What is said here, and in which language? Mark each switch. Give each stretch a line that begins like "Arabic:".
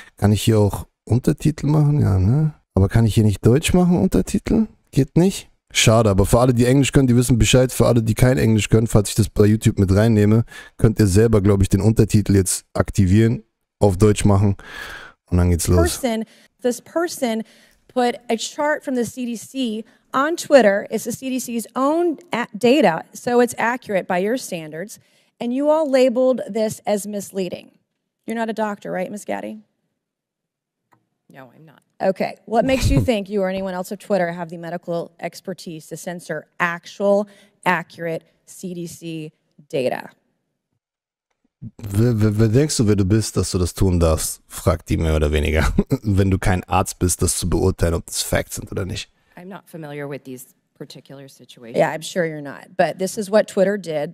German: Kann ich hier auch Untertitel machen? Ja, ne? Aber kann ich hier nicht Deutsch machen, Untertitel? Geht nicht? Schade, aber für alle, die Englisch können, die wissen Bescheid. Für alle, die kein Englisch können, falls ich das bei YouTube mit reinnehme, könnt ihr selber, glaube ich, den Untertitel jetzt aktivieren, auf Deutsch machen und dann geht's los.
English: This person put a chart from the CDC on Twitter. It's the CDC's own data, so it's accurate by your standards. And you all labeled this as misleading. You're not a doctor, right, Ms. Gatti? No, I'm not. Okay, what makes you think you or anyone else of Twitter have the medical expertise to censor actual, accurate CDC data?
German: Wer denkst du, wer du bist, dass du das tun darfst, fragt die mehr oder weniger, wenn du kein Arzt bist, das zu beurteilen, ob das Facts sind oder nicht.
English: I'm not familiar with these particular situations. Yeah, I'm sure you're not, but this is what Twitter did.